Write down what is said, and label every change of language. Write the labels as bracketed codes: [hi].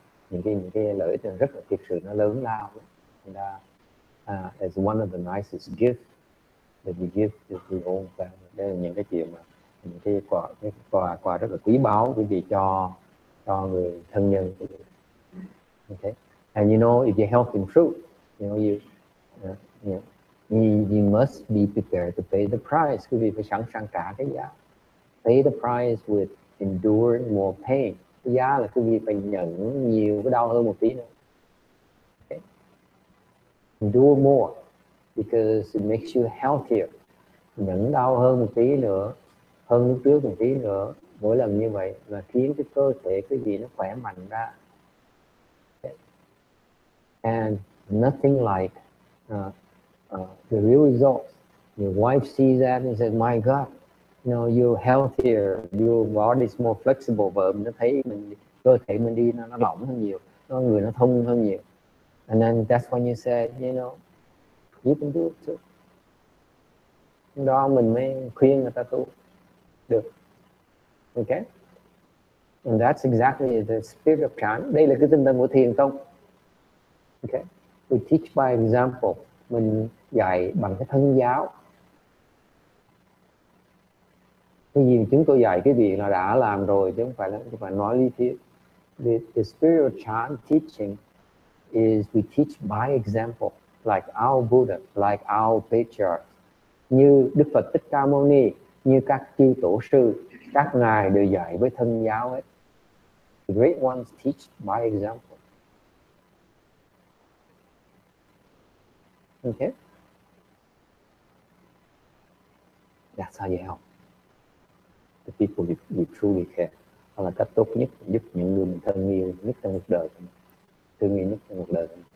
[vi] Những cái lợi ích rất là thiệt sự, nó lớn lao. [en] As one of the nicest gifts that we give to the whole family. [vi] Đây là những cái chuyện mà những cái quà rất là quý báu quý vị cho người thân nhân. [en] Okay. And you know, if your health improves, you know, you must be prepared to pay the price. [vi] Quý vị phải sẵn sàng trả cái giá. [en] Pay the price with enduring more pain. [vi] Cái giá là quý vị phải nhận nhiều cái đau hơn một tí nữa. Okay. [en] Endure more because it makes you healthier. [vi] Nhận đau hơn một tí nữa, hơn lúc trước một tí nữa. Mỗi lần như vậy là khiến cái cơ thể quý vị nó khỏe mạnh ra. [en] And nothing like the real results. Your wife sees that and says, "My God, you know, you're healthier. Your body is more flexible." [vi] Vợ mình nó thấy mình cơ thể mình đi nó lỏng hơn nhiều, nó người nó thông hơn nhiều. [en] And then that's when you say, you know, you can do it too. [vi] Đó mình mới khuyên người ta tu được. Okay. [en] And that's exactly the spirit of chant. [vi] Đây là cái tinh thần của thiền tông. [en] Okay, we teach by example. [vi] Mình dạy bằng cái thân giáo. Cái gì chúng tôi dạy cái việc là đã làm rồi chứ không phải nói lý thuyết. [en] The spiritual chant teaching is we teach by example, like our Buddha, like our patriarch. [vi] Như Đức Phật Thích Ca Mâu Ni, như các chư tổ sư, các ngài đều dạy với thân giáo ấy. [en] The great ones teach by example. Okay. That's how you help the people you truly care. [vi] Đó là cách tốt nhất giúp những người mình thân yêu nhất trong cuộc đời. Thương yêu nhất trong cuộc đời.